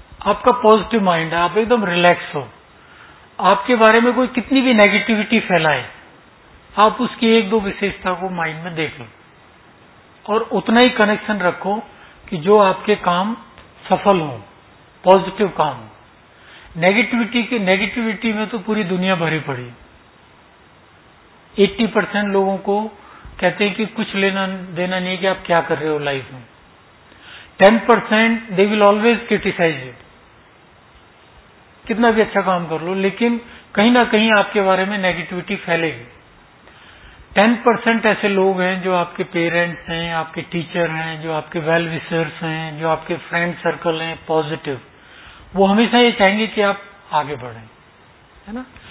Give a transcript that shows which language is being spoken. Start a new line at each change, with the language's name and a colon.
Urdu: آپ کا positive mind ہے آپ ایک دم ریلیکس ہو آپ کے بارے میں کوئی کتنی بھی نیگیٹیوٹی پھیلائے آپ اس کی ایک دو وشیشتا کو مائنڈ میں دیکھ لو اور اتنا ہی کنیکشن رکھو کہ جو آپ کے کام سفل ہوں پازیٹو کام. نیگیٹیوٹی میں تو پوری دنیا بھری پڑی. 80% لوگوں کو کہتے ہیں کہ کچھ لینا دینا نہیں ہے کہ آپ کیا کر رہے ہو لائف میں. 10%
English: they will always criticise you
Urdu: کتنا بھی اچھا کام کر لو لیکن کہیں نہ کہیں آپ کے بارے میں نیگیٹیوٹی پھیلے گی. 10% ایسے لوگ ہیں جو آپ کے پیرنٹس ہیں, آپ کے ٹیچر ہیں, جو آپ کے ویل ویسرس ہیں, جو آپ کے فرینڈ سرکل ہیں پازیٹو, وہ ہمیشہ یہ چاہیں گے کہ آپ آگے بڑھیں, ہے نا.